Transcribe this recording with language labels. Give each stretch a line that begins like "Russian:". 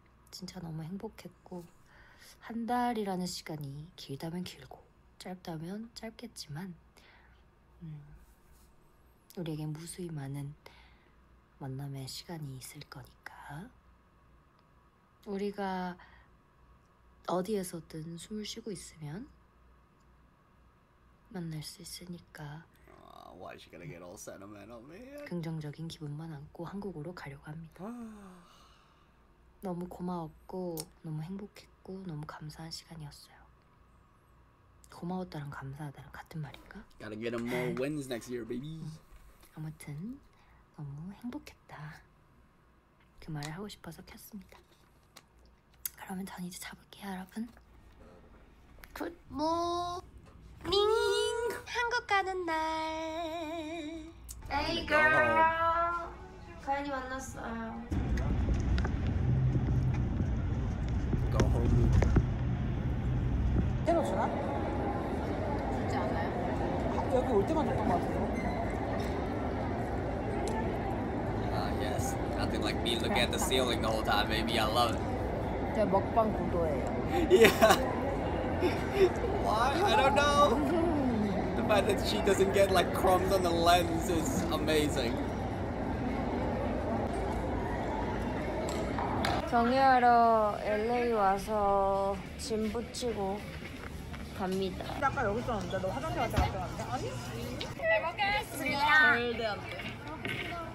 Korean: 진짜 너무 행복했고 한 달이라는 시간이 길다면 길고 짧다면 짧겠지만 우리에게 무수히 많은 만남의 시간이 있을 거니까 우리가 어디에서든 숨을 쉬고 있으면 만날 수 있으니까.
English: Why is she gonna get all sentimental, man?
Korean: 긍정적인 기분만 안고 한국으로 가려고 합니다. 너무 고마웠고 너무 행복했고 너무 감사한 시간이었어요. 고마웠다랑 감사하다랑 같은 말인가?
English: Gotta get them more wins next year, baby.
Korean: 아무튼 너무 행복했다. 그 말을 하고 싶어서 켰습니다. 그러면 전 이제 잡을게요, 여러분.
English: Good morning.
Korean: 한국 가는 날.
English: Hey girl.
Korean: 가연이 만났어요.
English: Go home.
Korean: 때로 주나? 주지 않아요? 여기 올 때만 줬던 것 같아요.
English: Yes. Nothing like me looking at the ceiling the whole time, baby. I love it.
Korean: 제 먹방 구도예요.
English: Yeah. Why? I don't know. The fact that she doesn't get like crumbs on the lens is amazing.
Korean: 정리하러 LA 와서 짐 붙이고 갑니다. 아까 여기 있었는데 너 화장실 갔다 왔는데 아니? 잘 먹겠습니다. 절대 안 돼.